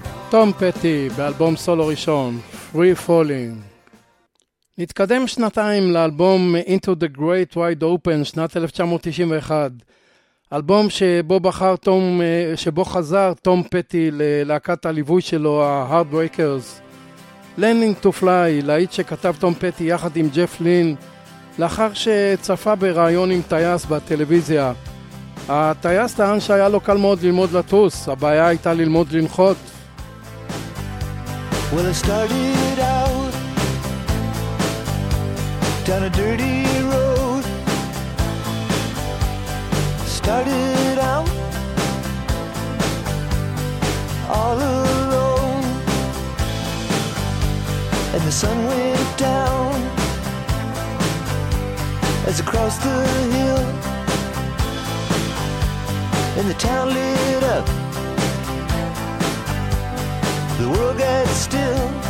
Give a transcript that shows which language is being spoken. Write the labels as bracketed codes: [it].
[he] טום פטי באלבום סולו ראשון, Free Falling. נתקדם שנתיים לאלבום Into the Great Wide Open, שנת 1991. אלבום שבו בחר טום, שבו חזר טום פטי ללהקת הליווי שלו, ה-Heartbreakers. Learning to Fly, להיט שכתב טום פטי יחד עם ג'ף לין, לאחר שצפה בראיון עם טייס בטלוויזיה. הטייס טען שהיה לו קל מאוד ללמוד לטוס, הבעיה הייתה ללמוד לנחות. [en] Well, I started out down a dirty road, started out all alone, and the sun went down as I crossed the hill, and the town lit up, the world got still.